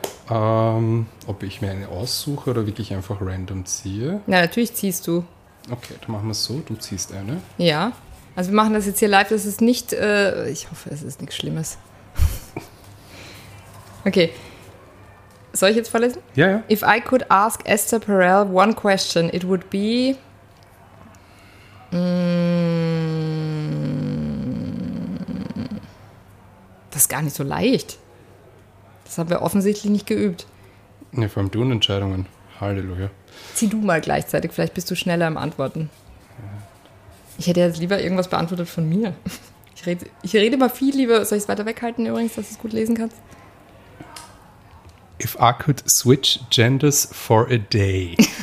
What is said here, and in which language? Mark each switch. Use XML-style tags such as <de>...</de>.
<de>Ob ich mir eine aussuche oder wirklich einfach random ziehe? Na, natürlich ziehst du. Okay, dann machen wir es so, du ziehst eine. Ja, also wir machen das jetzt hier live, das ist nicht, ich hoffe, es ist nichts Schlimmes. Okay, soll ich jetzt vorlesen? Ja, ja.</de> <en>If I could ask Esther Perel one question, it would be...</en> <de>Das ist gar nicht so leicht. Das haben wir offensichtlich nicht geübt. Ja, vor allem du und Entscheidungen. Halleluja. Zieh du mal gleichzeitig, vielleicht bist du schneller im Antworten. Ich hätte jetzt lieber irgendwas beantwortet von mir. Ich rede mal viel lieber. Soll ich es weiter weghalten übrigens, dass du es gut lesen kannst?</de> <en>If I could switch genders for a day.</en>